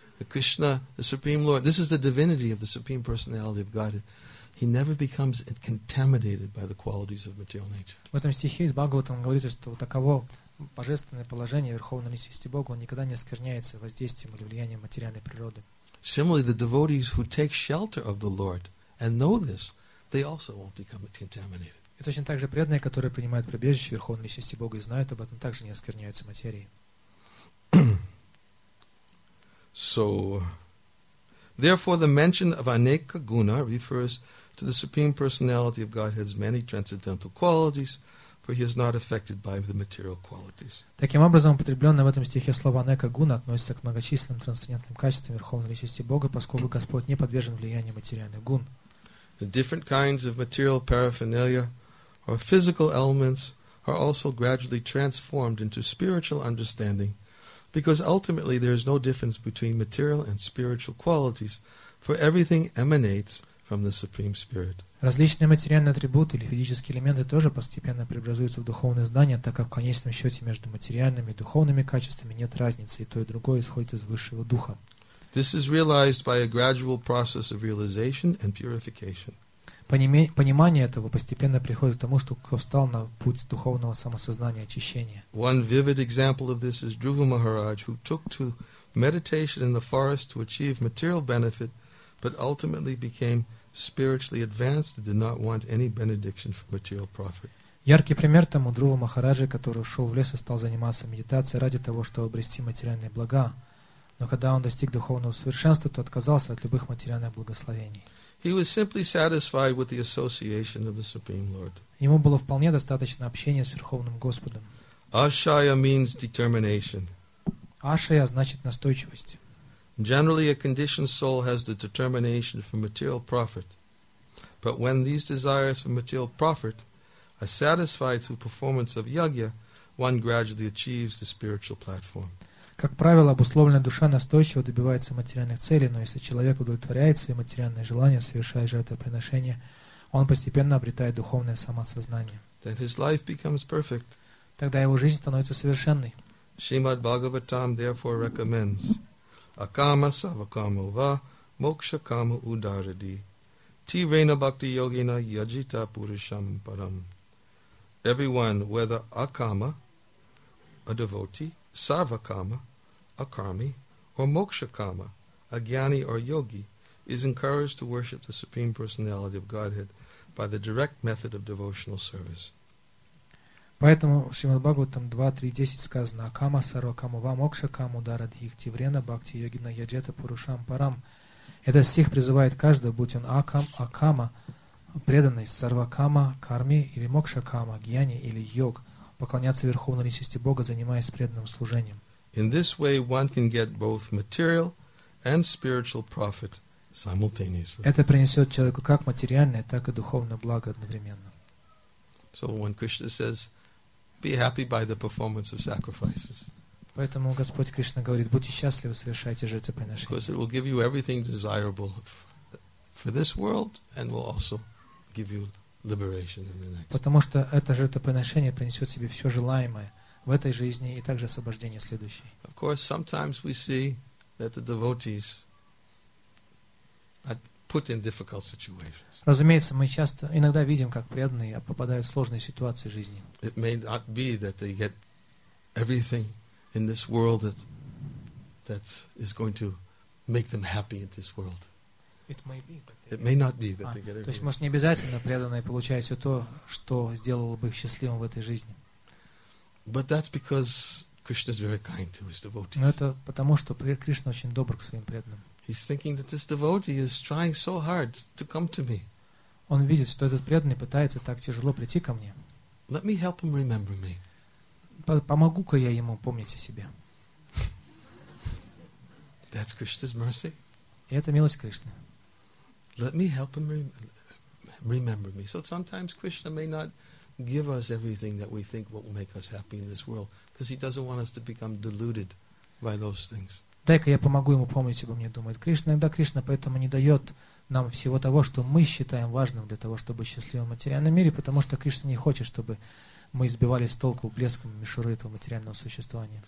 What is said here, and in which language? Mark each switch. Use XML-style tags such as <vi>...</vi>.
<en>Krishna, the Supreme Lord, this is the divinity of the Supreme Personality of God. He never becomes contaminated by the qualities of material nature.</en> <ru>В этом стихе из Бхагаватам говорится, что таково божественное положение Верховной Личности Бога, он никогда не оскверняется воздействием или влиянием материальной природы.</ru> <en>Similarly, the devotees who take shelter of the Lord and know this, they also won't become contaminated.</en> <ru>И точно так же преданные, которые принимают прибежище Верховной Личности Бога и знают об этом, также не оскверняются материей.</ru> <en>So, therefore, the mention of aneka guna refers to the Supreme Personality of Godhead's many transcendental qualities, for he is not affected by the material qualities.</en> <ru>Таким образом, употребленное в этом стихе слово «анека гуна» относится к многочисленным трансцендентным качествам Верховной Личности Бога, поскольку Господь не подвержен влиянию материальных гун.</ru> <en>The different kinds of material paraphernalia or physical elements are also gradually transformed into spiritual understanding, because ultimately there is no difference between material and spiritual qualities, for everything emanates from the Supreme Spirit.</en> <ru>Различные материальные атрибуты или физические элементы тоже постепенно преобразуются в духовные знания, так как в конечном счете между материальными и духовными качествами нет разницы, и то и другое исходит из высшего духа.</ru> <en>This is realized by a gradual process of realization and purification.</en> <ru>Понимание этого постепенно приходит к тому, что кто встал на путь духовного самосознания, очищения.</ru> <en>One vivid example of this is Dhruva Maharaj, who took to meditation in the forest to achieve material benefit, but ultimately became spiritually advanced and did not want any benediction for material profit.</en> <ru>Яркий пример тому Друва Махараджи, который ушел в лес и стал заниматься медитацией ради того, чтобы обрести материальные блага. Но когда он достиг духовного совершенства, то отказался от любых материальных благословений.</ru> <en>He was simply satisfied with the association of the Supreme Lord.</en> <ru>Ему было вполне достаточно общения с Верховным Господом.</ru> <en>Ashaya means determination.</en> <ru>Ashaya значит настойчивость.</ru> <en>Generally, a conditioned soul has the determination for material profit. But when these desires for material profit are satisfied through performance of yagya, one gradually achieves the spiritual platform.</en> <ru>Как правило, обусловленная душа настойчиво добивается материальных целей, но если человек удовлетворяет свои материальные желания, совершая жертвоприношение, он постепенно обретает духовное самосознание.</ru> <en>Then his life becomes perfect.</en> <ru>Тогда его жизнь становится совершенной.</ru> <sa>Шримад Бхагаватам</sa> <en>therefore recommends</en> <sa>Акама савакама ва мокша кама ударади ти вейна бхакти йогина яджита пурушам парам.</sa> <en>Everyone, whether Акама, a devotee, Sarvakama, a karmi, or Mokshakama, a jnani or yogi, is encouraged to worship the Supreme Personality of Godhead by the direct method of devotional service.</en> <ru>Поэтому в Шримад Бхагаватам 2.3.10 сказано:</ru> <sa>Акама, Сарвакама, Ва, Мокшакама, Удара, Дхихти, Врена, Бхакти, Йогина, Яджета, Пурушам, Парам.</sa> <ru>Этот стих призывает каждого, будь он Акама, преданный Сарвакама, Карми или Мокшакама, Гьяни или Йог, поклоняться верховной личности Бога, занимаясь преданным служением.</ru> <en>In this way, one can get both material and spiritual profit simultaneously.</en> <ru>Это принесет человеку как материальное, так и духовное благо одновременно.</ru> <en>So when Krishna says, "Be happy by the performance of sacrifices."</en> <ru>Поэтому Господь Кришна говорит: будьте счастливы, совершайте жертвоприношения.</ru> <en>Because it will give you everything desirable for this world, and will also give you liberation in the next.</en> <ru>Потому что это жертвоприношение принесет себе все желаемое в этой жизни и также освобождение в следующей.</ru> <en>Of course, sometimes we see that the devotees are put in difficult situations.</en> <ru>Разумеется, мы часто иногда видим, как преданные попадают в сложные ситуации в жизни.</ru> <en>It may not be that they get everything in this world that is going to make them happy in this world.</en> <ru>То есть, может, не обязательно преданные получают все то, что сделало бы их счастливым в этой жизни.</ru> <en>But that's because Krishna is very kind to his devotees.</en> <ru>Но это потому, что Кришна очень добр к своим преданным.</ru> <en>He's thinking that this devotee is trying so hard to come to me.</en> <ru>Он видит, что этот преданный пытается так тяжело прийти ко мне.</ru> <en>Let me help him remember me.</en> <ru>Помогу-ка я ему помнить о себе.</ru> <en>That's Krishna's mercy.</en> <ru>И это милость Кришны.</ru> <en>Let me help him remember me. So sometimes Krishna may not give us everything that we think will make us happy in this world, because he doesn't want us to become deluded by those things.</en> <ru>Дай-ка я помогу ему помнить себе, мне думает Кришна. Иногда Кришна поэтому не дает нам всего того, что мы считаем важным для того, чтобы быть счастливым в материальном мире, потому что Кришна не хочет, чтобы мы избивались с толку блеском мишуры этого материального существования.</ru>